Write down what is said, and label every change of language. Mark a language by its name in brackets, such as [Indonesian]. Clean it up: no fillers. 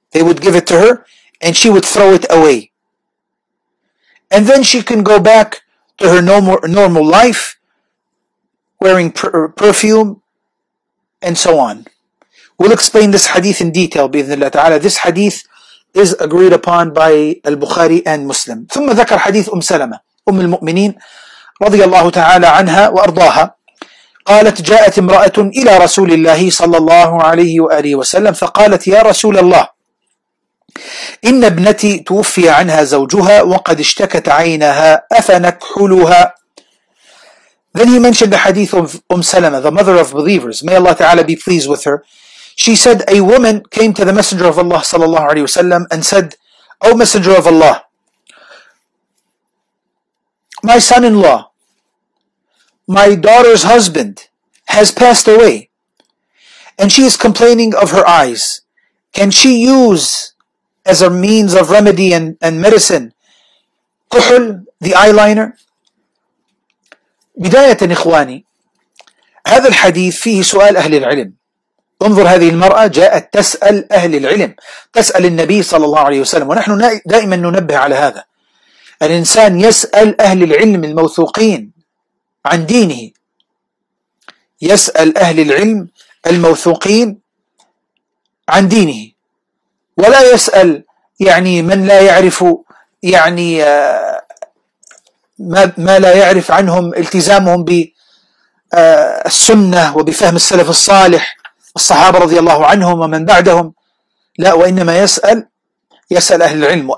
[English] They would give it to her, and she would throw it away. And then she can go back to her normal life, wearing perfume, and so on. We'll explain this hadith in detail, [Arabic] bi-ithnillah ta'ala. [English] This hadith is agreed upon by al-Bukhari and Muslim. [Arabic] ثم ذكر حديث أم سلمة أم المؤمنين رضي الله تعالى عنها وأرضاها قالت جاءت امرأة إلى رسول الله صلى الله عليه وآله وسلم فقالت يا رسول الله إن ابنتي توفي عنها زوجها وقد اشتكت عينها أفنكحلها. [English] Then he mentioned the hadith of Salama, the mother of believers. May Allah Ta'ala be pleased with her. She said, a woman came to the Messenger of Allah [Arabic] sallallahu alayhi wa sallam [English] and said, O Messenger of Allah, my son-in-law, my daughter's husband, has passed away. And she is complaining of her eyes. Can she use as a means of remedy and medicine, kuhul, the eyeliner? [Arabic] بداية إخواني هذا الحديث فيه سؤال أهل العلم. انظر هذه المرأة جاءت تسأل أهل العلم، تسأل النبي صلى الله عليه وسلم، ونحن دائما ننبه على هذا. الإنسان يسأل أهل العلم الموثوقين عن دينه، يسأل أهل العلم الموثوقين عن دينه، ولا يسأل يعني من لا يعرف يعني ما لا يعرف عنهم التزامهم بالسنة وبفهم السلف الصالح والصحابة رضي الله عنهم ومن بعدهم، لا، وإنما يسأل أهل العلم.